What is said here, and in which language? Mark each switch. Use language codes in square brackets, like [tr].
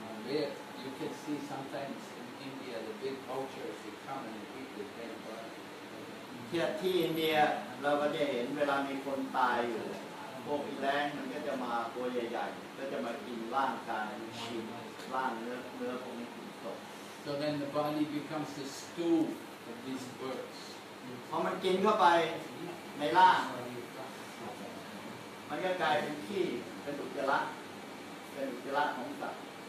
[en] Yeah, you can see sometimes in India the big vultures they come and eat the dead body. [th] ที่อินเดียเราก็จะเห็นเวลามีคนตายอยู่พวกแรงมันก็จะมาตัวใหญ่ๆก็จะมากินร่างกายชิมร่างเนื้อของศพ [en] So then the body becomes the stew of these birds. [th] พอมันกินเข้าไปในร่างมันก็กลายเป็นขี้เป็นอุจจาระของสัตว์